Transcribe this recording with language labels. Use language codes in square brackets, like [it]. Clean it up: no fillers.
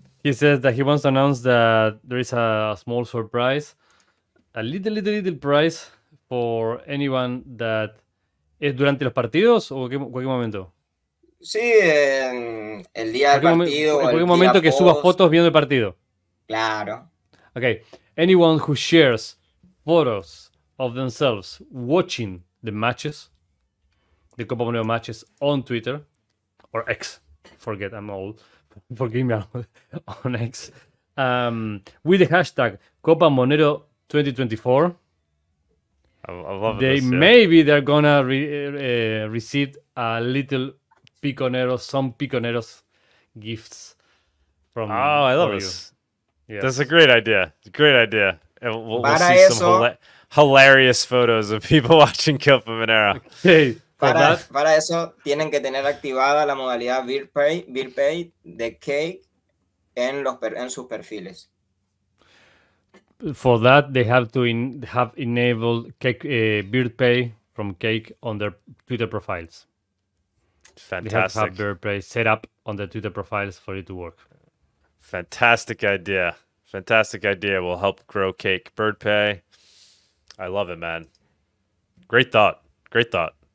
[en] He says that he wants to announce that there is a small surprise, a little prize for anyone that is [es] durante los partidos o cualquier momento. Sí, en el día del partido. En cualquier momento que suba fotos viendo el partido. Claro. [en] Okay, anyone who shares photos of themselves watching the matches, the Copa Monero matches on Twitter or X, forget I'm old. Forgive me on X. With the hashtag CopaMonero 2024, I love they this, yeah. Maybe they're gonna receive a little piconeros, some piconeros gifts from. Oh, I love this. Yes. That's a great idea. Great idea. We'll see [es] eso, [en] some hilarious photos of people watching CopaMonero. Okay. [es] Para eso tienen que tener activada la modalidad Bill Pay de Cake en sus perfiles. [en] For that they have to have enabled Bill Pay from Cake on their Twitter profiles. Fantastic. They have Bill Pay set up on their Twitter profiles for it to work. Fantastic idea. Fantastic idea. Will help grow Cake Bird Pay. I love it, man. Great thought. Great thought.